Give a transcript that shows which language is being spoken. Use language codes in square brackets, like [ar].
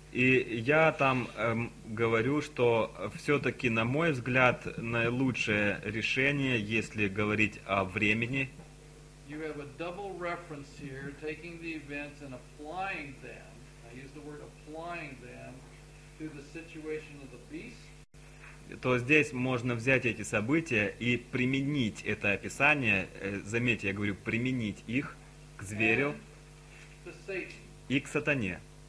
[ru] И я там говорю, что все-таки, на мой взгляд, наилучшее решение, если говорить о времени. [en] You have a double reference here, taking the events and applying them. I use the word applying them to the situation of the beast. [ru] То здесь можно взять эти события и применить это описание, заметьте, я говорю, применить их к зверю и к сатане.